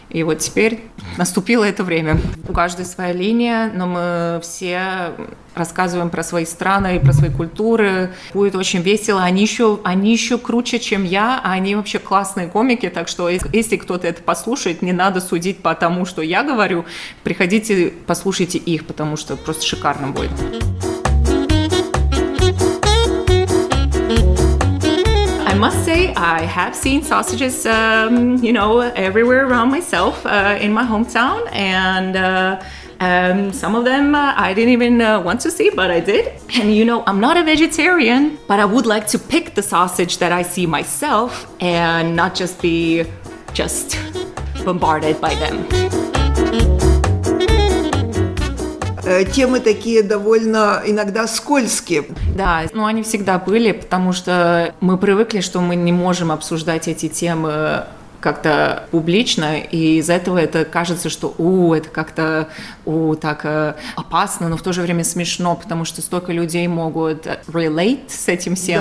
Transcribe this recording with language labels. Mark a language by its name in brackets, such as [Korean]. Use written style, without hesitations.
[Russian] И вот теперь наступило это время. У каждой своя линия, но мы все рассказываем про свои страны и про свои культуры. Будет очень весело. Они еще круче, чем я. А они вообще классные комики. Так что если кто-то это послушает, не надо судить по тому, что я говорю. Приходите, послушайте их, потому что просто шикарно будет. [English] I must say, I have seen sausages, you know, everywhere around myself in my hometown, and some of them I didn't even want to see, but I did. And you know, I'm not a vegetarian, but I would like to pick the sausage that I see myself and not just be just bombarded by them. [Russian] Темы такие довольно иногда скользкие. Да, но они всегда были, потому что мы привыкли, что мы не можем обсуждать эти темы как-то публично, и из-за этого это кажется, что это как-то так опасно, но в то же время смешно, потому что столько людей могут relate с этим всем.